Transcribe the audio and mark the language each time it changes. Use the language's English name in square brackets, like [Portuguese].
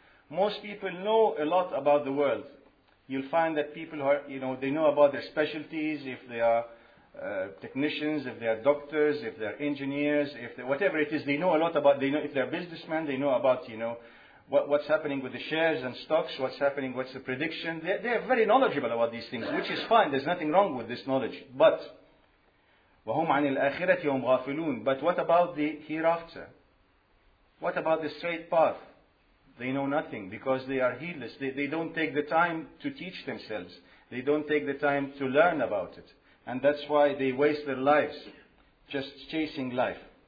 [English] Most people know a lot about the world. You'll find that people who are, you know, they know about their specialties, if they are technicians, if they are doctors, if they are engineers, if they, whatever it is, they know a lot about, they know if they are businessmen, they know about, you know, what's happening with the shares and stocks, what's happening, what's the prediction. They are very knowledgeable about these things, which is fine, there's nothing wrong with this knowledge. But, [Arabic] وَهُمْ عَنِ الْآخِرَةِ هُمْ غَافِلُونَ. [English] But what about the hereafter? What about the straight path? They know nothing because they are heedless. They don't take the time to teach themselves. They don't take the time to learn about it. And that's why they waste their lives just chasing life.